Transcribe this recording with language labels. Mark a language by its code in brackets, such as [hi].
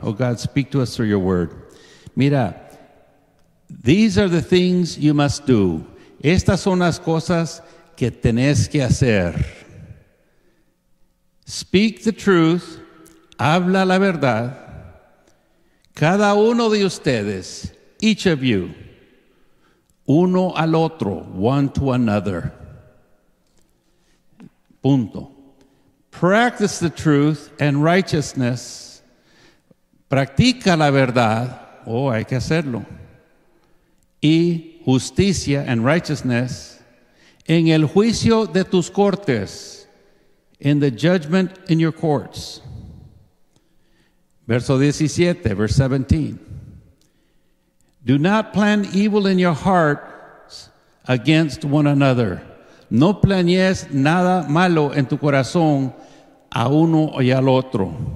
[en] Oh God, speak to us through your word. Mira, these are the things you must do. [es] Estas son las cosas que tenés que hacer. [en] Speak the truth, [es] habla la verdad. Cada uno de ustedes, [en] each of you, [es] uno al otro, [en] one to another. [es] Punto. [en] Practice the truth and righteousness. [es] Practica la verdad. Oh, hay que hacerlo. Y justicia [en] and righteousness. [es] En el juicio de tus cortes. [en] In the judgment in your courts. [es] Verso 17, [en] verse 17. Do not plan evil in your heart against one another. [es] No planees nada malo en tu corazón a uno y al otro.